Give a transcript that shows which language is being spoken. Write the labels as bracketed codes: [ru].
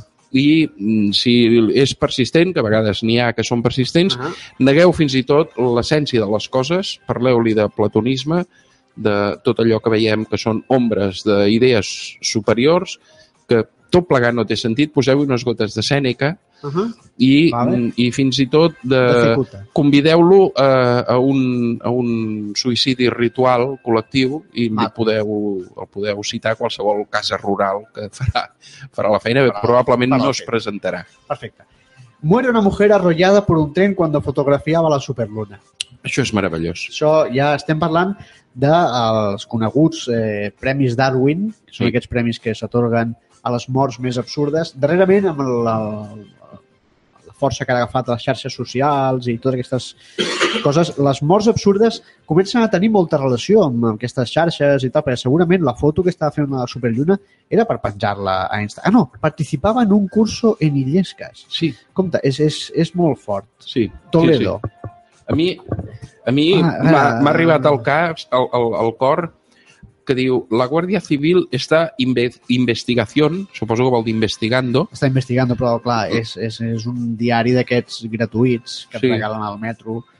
[ca] I si és persistent, que a vegades n'hi ha que són persistents, negueu fins i tot l'essència de les coses, parleu-li de platonisme, de tot allò que veiem que són ombres d'idees superiors, que tot plegat no té sentit, poseu-hi unes gotes de Sèneca i fins i tot convideu-lo a un suïcidi ritual col·lectiu i el podeu citar a qualsevol casa rural que farà la feina, probablement no es presentarà. Perfecte. [es] Muere una mujer arrollada por un tren cuando fotografiaba la superluna. [ca] Això és meravellós. Això ja estem parlant dels coneguts premis Darwin, que són aquests premis que s'atorguen a les morts més absurdes. Darrerament, amb la força que ha agafat les xarxes socials i totes aquestes coses, les morts absurdes comencen a tenir molta relació amb aquestes xarxes i tal, perquè segurament la foto que estava fent la superlluna era per penjar-la a Insta. [es] Ah, no, participava en un curso en Illescas. [ca] Sí. Compte, és molt fort. Sí. Toledo. Sí, sí. A mi m'ha arribat al cap, al cor, que diu, la Guàrdia Civil està investigación, suposo que vol dir investigando. Està investigando, però clar, és un diari d'aquests gratuïts que et regalen al metro.